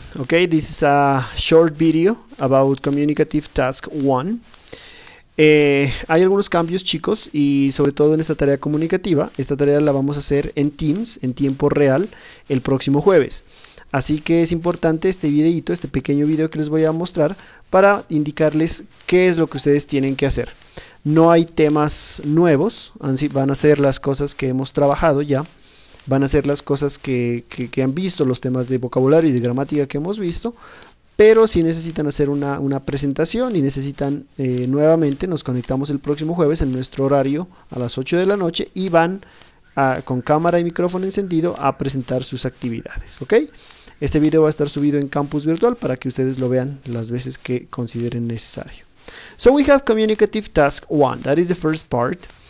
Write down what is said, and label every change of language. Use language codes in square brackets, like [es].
[en] Okay, this is a short video about communicative task 1. [es] Hay algunos cambios, chicos, y sobre todo en esta tarea comunicativa. Esta tarea la vamos a hacer en Teams, en tiempo real, el próximo jueves. Así que es importante este videito, este pequeño video que les voy a mostrar para indicarles qué es lo que ustedes tienen que hacer. No hay temas nuevos, van a ser las cosas que hemos trabajado ya. Van a ser las cosas que han visto, los temas de vocabulario y de gramática que hemos visto. Pero si necesitan hacer una presentación y necesitan nuevamente, nos conectamos el próximo jueves en nuestro horario a las 8 de la noche y van con cámara y micrófono encendido a presentar sus actividades. ¿Okay? Este video va a estar subido en Campus Virtual para que ustedes lo vean las veces que consideren necesario. [en] So we have communicative task 1, that is the first part.